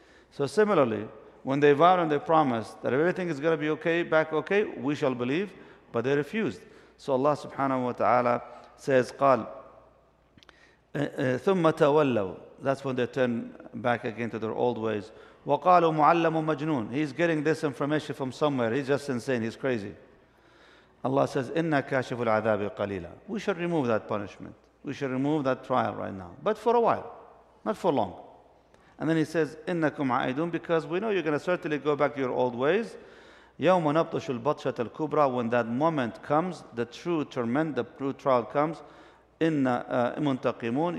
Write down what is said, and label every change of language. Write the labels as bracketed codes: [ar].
[en] So similarly, when they vowed and they promised that everything is going to be okay, back okay, we shall believe, but they refused. So Allah subhanahu wa ta'ala says, قال, [ar] ثُمَّ تَوَلَّوا. [en] That's when they turn back again to their old ways. [ar] وَقَالُوا مُعَلَّمُ مَجْنُونَ. [en] He's getting this information from somewhere. He's just insane. He's crazy. Allah says, [ar] إِنَّا كَاشِفُ الْعَذَابِ قَلِيلًا. [en] We should remove that punishment. We should remove that trial right now. But for a while. Not for long. And then he says, [ar] إِنَّكُمْ عَائِدُونَ. [en] Because we know you're going to certainly go back to your old ways. [ar] يَوْمَ نَبْطَشُ الْبَطْشَةَ الْكُبْرَى. [en] When that moment comes, the true torment, the true trial comes, [ar] إِنَّا مُنْتَقِمُونَ.